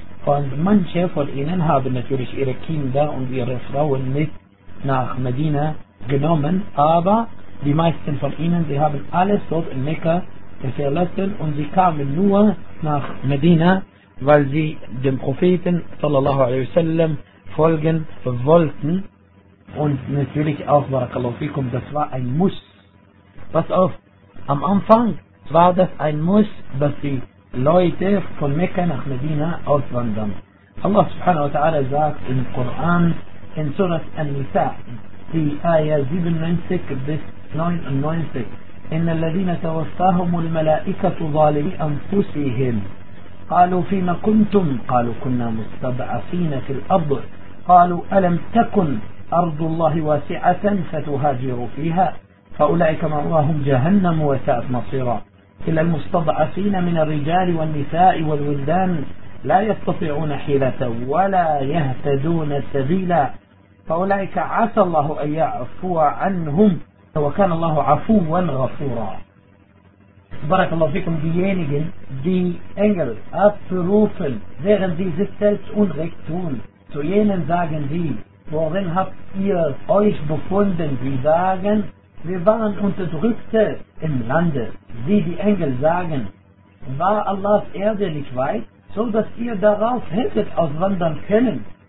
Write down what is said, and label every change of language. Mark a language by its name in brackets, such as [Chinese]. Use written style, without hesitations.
[German] Und manche von ihnen haben natürlich ihre Kinder und ihre Frauen mit nach Medina genommen, aber die meisten von ihnen, sie haben alles dort in Mekka verlassen, und sie kamen nur nach Medina, weil sie dem Propheten sallallahu alaihi wasallam folgen wollten. Und natürlich auch, [Arabic] barakallahu fikum, [German] das war ein Muss. Pass auf, am Anfang war das ein Muss, dass die Leute von Mekka nach Medina auswandern. Allah subhanahu wa ta'ala sagt im Koran, in Surat An-Nisa, die Ayah 97 bis 99, [Arabic] إِنَّ الَّذِينَ تَوَفَّاهُمُ الْمَلَائِكَةُ ظَالِمِ أَنفُسِهِمْ قَالُوا فِيمَ كُنْتُمْ قَالُوا كُنَّا مُسْتَضْعَفِينَ فِي الْأَرْضِ قالوا ألم تكن أرض الله واسعة فتهاجروا فيها فأولئك مأواهم جهنم وساءت مصيرا إلا المستضعفين من الرجال والنساء والولدان لا يستطيعون حيلة ولا يهتدون سبيلا فأولئك عسى الله أن يعفو عنهم وكان الله عفوا غفورا. بارك الله فيكم. [German] Diejenigen, die Engel abrufen, während sie sich selbst Unrecht tun, zu jenen sagen sie, worin habt ihr euch befunden? Sie sagen, wir waren Unterdrückte im Lande. Sie, die Engel, sagen, war Allahs Erde nicht weit, so dass ihr darauf hättet auswandern können?